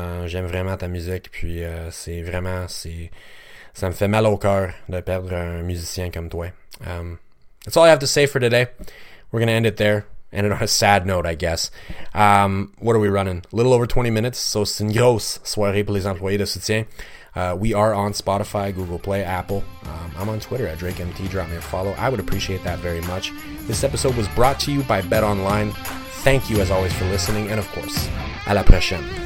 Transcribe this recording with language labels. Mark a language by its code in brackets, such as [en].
[fr] J'aime vraiment ta musique, puis c'est vraiment, c'est, ça me fait mal au cœur de perdre un musicien comme toi. [en] That's all I have to say for today. We're going to end it there. Ended on a sad note, I guess. What are we running? A little over 20 minutes. [fr] So, c'est une grosse soirée pour les employés de soutien. [en] We are on Spotify, Google Play, Apple. I'm on Twitter at DrakeMT. Drop me a follow. I would appreciate that very much. This episode was brought to you by BetOnline. Thank you, as always, for listening. And, of course, [fr] à la prochaine.